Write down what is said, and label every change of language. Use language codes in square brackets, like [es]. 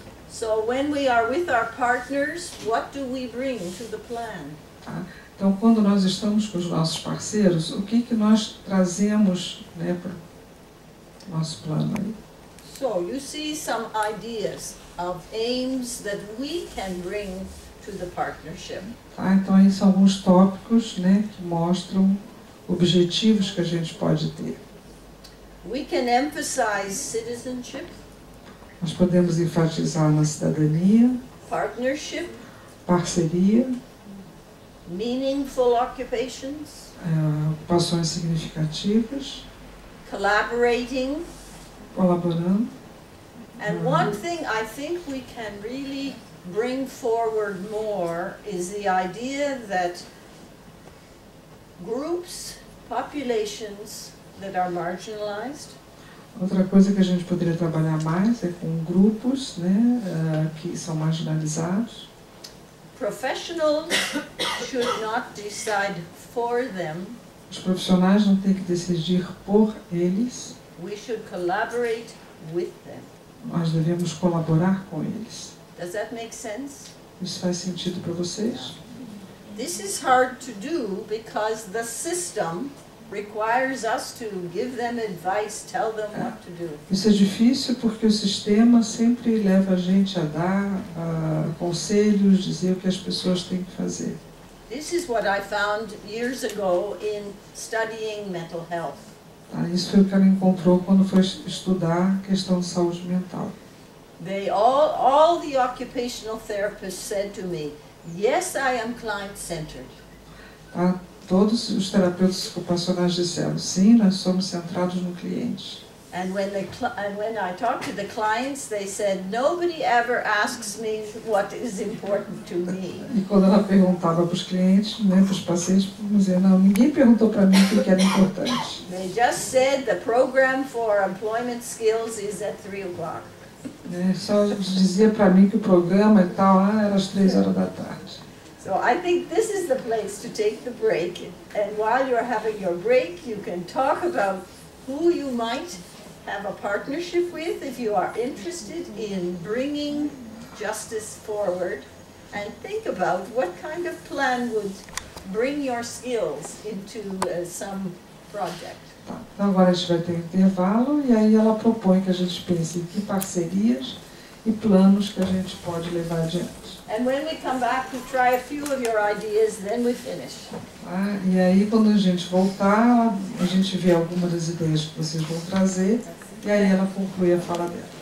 [en] So when we are with our partners, what do we bring to the plan? [pt] Tá. Então, quando nós estamos com os nossos parceiros, o que que nós trazemos, né, para o nosso plano aí? [en] So you see some ideas of aims that we can bring to the partnership. [pt] Tá, então aí são alguns tópicos, né, que mostram objetivos que a gente pode ter. [en] We can emphasize citizenship. [pt] Nós podemos enfatizar na cidadania. [en] Partnership. [pt] Parceria. [en] Meaningful occupations. [pt] Ocupações significativas. [en] Collaborating. [pt] Colaborando. [en] And one thing I think we can really bring forward more is the idea that groups, populations that are marginalized. [pt] Outra coisa que a gente poderia trabalhar mais é com grupos, né, que são marginalizados. [en] Professionals should not decide for them. [pt] Os profissionais não têm que decidir por eles. [en] We should collaborate with them. [pt] Nós devemos colaborar com eles. [en] Does that make sense? [pt] Isso faz sentido para vocês? [en] This is hard to do because the system requires us to give them advice, tell them what to do. [pt] Isso é difícil porque o sistema sempre leva a gente a dar conselhos, dizer o que as pessoas têm que fazer. [en] This is what I found years ago in studying mental health. [pt] Isso foi o que ela encontrou quando foi estudar a questão de saúde mental. [en] They all the occupational therapists said to me, yes, I am client-centered. [pt] Todos os terapeutas ocupacionais disseram, sim, nós somos centrados no cliente. [en] And when I talked to the clients, they said, nobody ever asks me what is important to me. [pt] E quando ela perguntava para os clientes, né, para os pacientes, dizia, não, ninguém perguntou para mim o que era importante. [en] They just said the program for employment skills is at 3 o'clock. [pt] É, só dizia para mim que o programa e tal, era às 3 horas da tarde. [en] So I think this is the place to take the break. And while you're having your break, you can talk about who you might have a partnership with if you are interested in bringing justice forward. And think about what kind of plan would bring your skills into some project. [pt] Então agora a gente vai ter um intervalo e aí ela propõe que a gente pense em que parcerias e planos que a gente pode levar adiante. [en] And when we come back to try a few of your ideas, then we finish. [pt] E aí quando a gente voltar, a gente vê algumas das ideias que vocês vão trazer e aí ela conclui a fala dela.